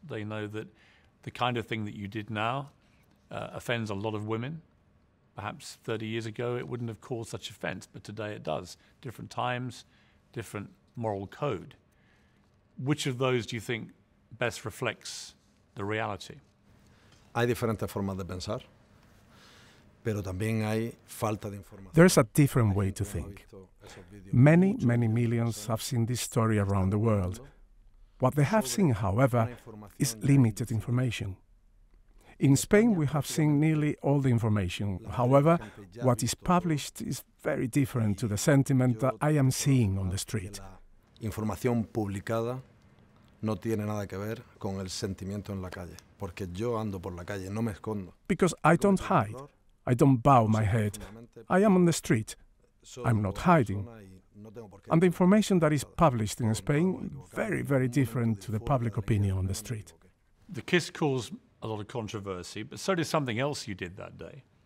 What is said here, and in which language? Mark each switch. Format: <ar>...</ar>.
<en>They know that the kind of thing that you did now offends a lot of women. Perhaps 30 years ago, it wouldn't have caused such offense, but today it does. Different times, different moral code. Which of those do you think best reflects the reality?</en> <es>Hay diferentes formas de pensar, pero también hay falta de información.</es> <en>There's a different way to think. Many, many millions have seen this story around the world. What they have seen, however, is limited information. In Spain, we have seen nearly all the information. However, what is published is very different to the sentiment that I am seeing on the street.</en> <es>Información publicada no tiene nada que ver con el sentimiento en la calle, porque yo ando por la calle, no me escondo.</es> <en>Because I don't hide, I don't bow my head. I am on the street, I'm not hiding. And the information that is published in Spain, very, very different to the public opinion on the street. The kiss caused a lot of controversy, but so did something else you did that day.</en>